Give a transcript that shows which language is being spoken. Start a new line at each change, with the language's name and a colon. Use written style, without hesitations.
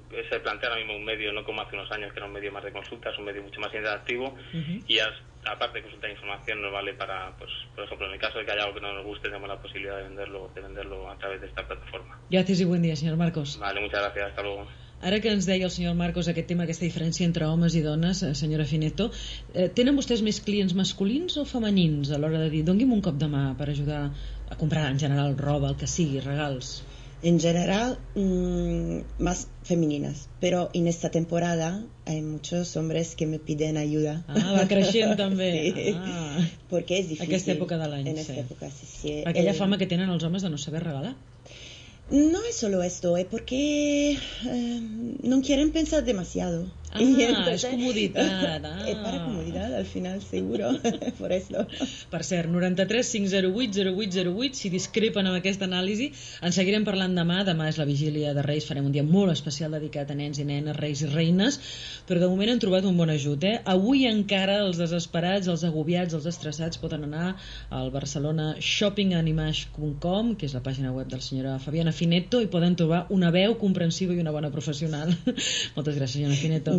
Spanish: Se plantea ahora mismo un medio, no como hace unos años, que era un medio más de consultas, un medio mucho más interactivo. Uh-huh. Y aparte de consultar información, nos vale para, pues, por ejemplo, en el caso de que haya algo que no nos guste, tenemos la posibilidad de venderlo a través de esta plataforma. Gracias y buen día, señor Marcos. Vale, muchas gracias, hasta luego.
Catalan: Ara que ens deia el senyor Marcos aquest tema, aquesta diferència entre homes i dones, senyora Fineto, tenen vostès més clients masculins o femenins a l'hora de dir doni'm un cop de mà per ajudar a comprar en general roba, el que sigui, regals?
Spanish: En general, más femeninas, pero en esta temporada hay muchos hombres que me piden ayuda. Ah, va creciendo también. Sí. Porque es difícil.
Catalan: Aquesta época de l'any,
Spanish: en esta época, sí. Aquella fama que tienen los hombres de no saber regalar. No es solo esto, es porque no quieren pensar demasiado. Ah, entonces, es comodidad. Ah. Es para comodidad, al final, seguro, por eso.
Catalan: Per cert, 93-508-0808, si discrepen amb aquesta anàlisi, en seguirem parlant demà. Demà és la vigília de Reis, farem un dia molt especial dedicat a nens i nenes, reis i reines, però de moment hem trobat un bon ajut. Eh? Avui encara els desesperats, els agobiats, els estressats poden anar al Barcelona Shopping and Image.com, que és la pàgina web de la senyora Fabiana Fineto, i poden trobar una veu comprensiva i una bona professional. Moltes gràcies, senyora Fineto.